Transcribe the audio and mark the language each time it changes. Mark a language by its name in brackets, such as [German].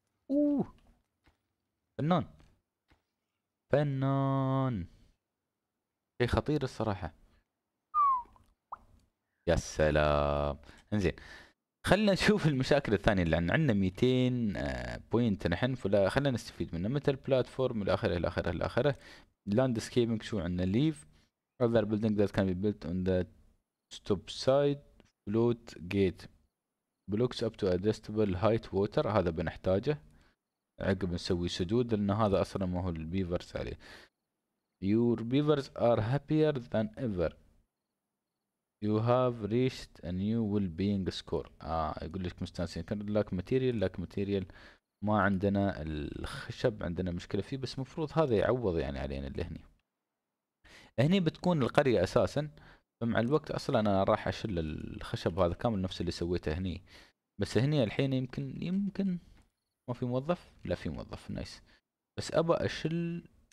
[Arabic] اوه فنان فنان، شيء خطير الصراحة. يا سلام. انزين خلنا نشوف المشاكل الثانية اللي عندنا. 200 بوينت نحن، فلا خلنا نستفيد منه. مثل بلاتفورم إلى آخره إلى آخره إلى آخره. لاندسكيبنج شو عندنا؟ ليف [English] other building that can be built on the top side float gate blocks up to adjustable height water، [Arabic] هذا بنحتاجه. عقب نسوي سدود لأن هذا أصلا ما هو البيفرز عليه. [English] your beavers are happier than ever، you have reached a new well-being score. [Arabic] يقول لك مستانسين. كان لك ماتيريال، لك ماتيريال، ما عندنا الخشب، عندنا مشكلة فيه، بس مفروض هذا يعوض يعني علينا. اللي هني هني بتكون القرية اساسا، فمع الوقت اصلا انا راح اشل الخشب هذا كامل نفس اللي سويته هني، بس هني الحين يمكن ما في موظف، لا في موظف نايس، بس ابا اشل.